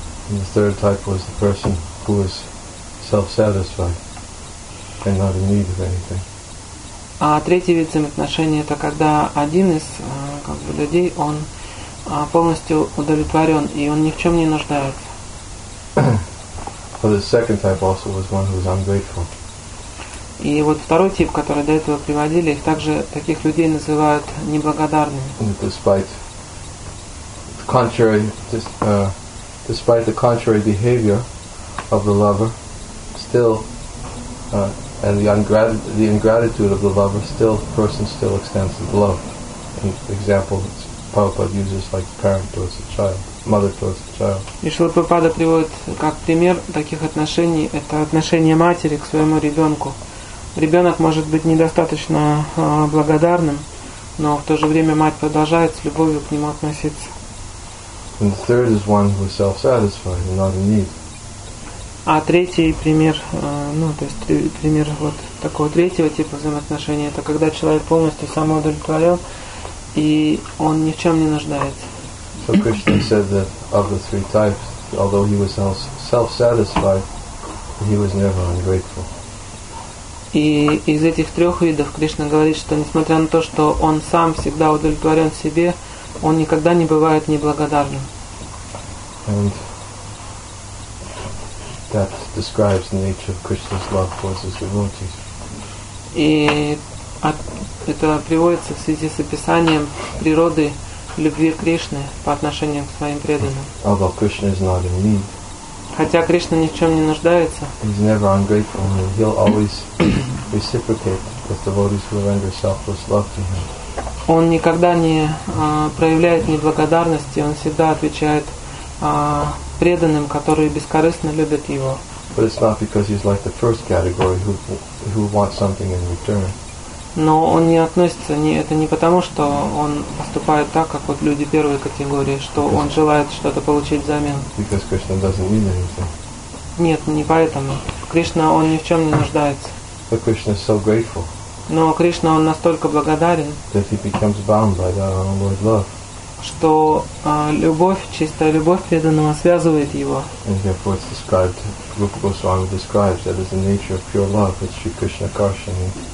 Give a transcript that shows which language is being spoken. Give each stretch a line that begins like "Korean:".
English: And the third type was the person who is self-satisfied and not in need of anything.
Russian: А третий вид взаимоотношений — это когда один из как бы людей он полностью удовлетворен и он ни в чем не нуждается.
English: Well, the second type also was one who was ungrateful.
Russian: И вот второй тип, который до этого приводили, их также таких людей называют неблагодарными.
English: And despite the contrary behavior of the lover, still. And the ingratitude of the lover, still the person still extends the love. An example that Prabhupada uses, like a parent towards a child, mother towards a child.
Russian: И Шрила Прабхупада приводит как пример таких отношений, это отношение матери к своему ребенку. Ребенок может быть недостаточно благодарным, но в то же время мать продолжает с любовью к нему относиться.
English: And the third is one who is self-satisfied and not in need.
Russian: А третий пример, пример вот такого третьего типа взаимоотношений, это когда человек полностью самоудовлетворен, и он ни в чем не нуждается.
English: So Krishna said that of the three types, although he was self-satisfied, he was never ungrateful.
Russian: И из этих трех видов Кришна говорит, что несмотря на то, что он сам всегда удовлетворен себе, он никогда не бывает неблагодарным.
English: And that describes the nature of Krishna's love for his devotees.
Russian: И это приводится в связи с описанием природы любви Кришны по отношению к своим преданным.
English: Although Krishna is not in need.
Russian: Хотя Кришна ни в чем не нуждается.
English: He's never ungrateful. He'll always reciprocate with devotees who render selfless love to him.
Russian: Он никогда не проявляет неблагодарности. Он всегда отвечает преданным, которые бескорыстно любят его.
English: But it's not because he's like the first category who wants something in return.
Russian: Но он не относится не это не потому, что он поступает так, как вот люди первой категории, что он желает что-то получить взамен.
English: Because Krishna doesn't need anything.
Russian: Нет, не поэтому. Кришна он ни в чем не нуждается.
English: But Krishna is so grateful.
Russian: Но Кришна он настолько благодарен.
English: That he becomes bound by that unalloyed love.
Russian: Что любовь, чистая любовь преданного связывает его.
English: And therefore it's described, Rupa Goswami describes that as the nature of pure love, it's Sri Krishna Karshani.